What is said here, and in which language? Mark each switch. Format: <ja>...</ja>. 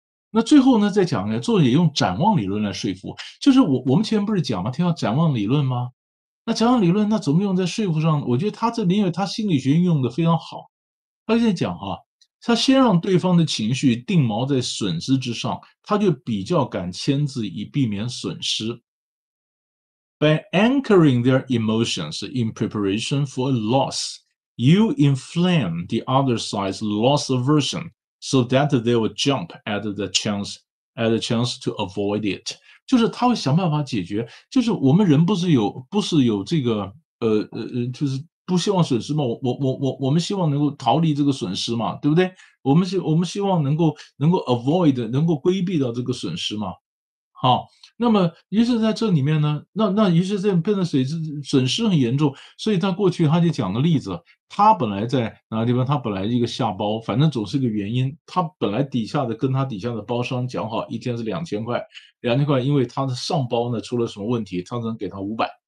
<zh>那最后呢，再讲一个，作者也用展望理论来说服，就是我们前面不是讲吗？听到展望理论吗？那展望理论，那怎么用在说服上？我觉得他这里，因为他心理学运用的非常好。他现在讲哈，他先让对方的情绪定锚在损失之上，他就比较敢签字以避免损失。</zh> <en>By anchoring their emotions in preparation for a loss, you inflame the other side's loss aversion so that they will jump at the chance to avoid it。</en> <zh>就是他会想办法解决，就是我们人不是有这个就是不希望损失嘛，我们希望能够逃离这个损失嘛，对不对？我们希望能够 avoid 能够规避到这个损失嘛。好，那么于是在这里面呢，那于是这变成损失很严重，所以他过去他就讲个例子，他本来在哪个地方，他本来一个下包，反正总是个原因，他本来底下的跟他底下的包商讲好一天是2000块，2000块，因为他的上包呢出了什么问题，他只能给他500。</zh>